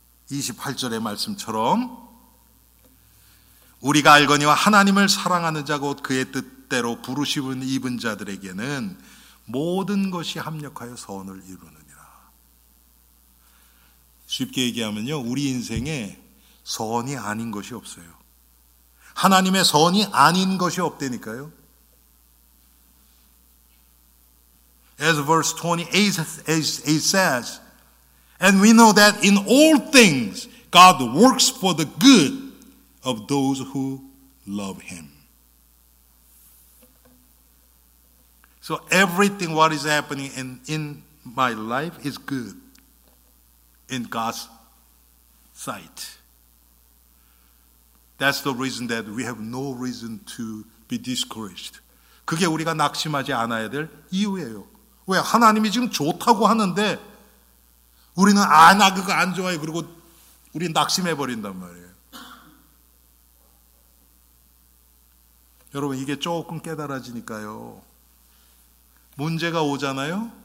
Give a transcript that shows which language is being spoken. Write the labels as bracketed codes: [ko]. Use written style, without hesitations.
[ko] 28절의 말씀처럼 우리가 알거니와 하나님을 사랑하는 자 곧 그의 뜻대로 부르심을 입은 자들에게는 모든 것이 합력하여 선을 이루느니라. 쉽게 얘기하면요, 우리 인생에 선이 아닌 것이 없어요. 하나님의 선이 아닌 것이 없다니까요. [en] As verse 28 says, and we know that in all things God works for the good of those who love him. So everything what is happening in my life is good in God's sight. That's the reason that we have no reason to be discouraged. [ko] 그게 우리가 낙심하지 않아야 될 이유예요. 왜? 하나님이 지금 좋다고 하는데 우리는 아, 나 그거 안 좋아해. 그리고 우리 낙심해버린단 말이에요. 여러분, 이게 조금 깨달아지니까요. 문제가 오잖아요.